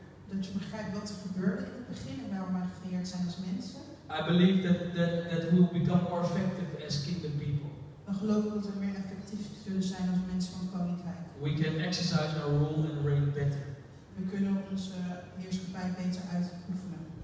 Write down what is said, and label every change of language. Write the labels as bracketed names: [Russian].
[Dutch] Dat je begrijpt wat er gebeurde in het begin en waarom wij gecreëerd zijn als mensen. [English] I believe that we will become more effective as kingdom people. [Dutch] Dan geloof ik dat we meer effectief zullen zijn als mensen van koninkrijk. [English] We can exercise our rule and reign better. [Dutch] We kunnen onze heerschappij beter uitoefenen.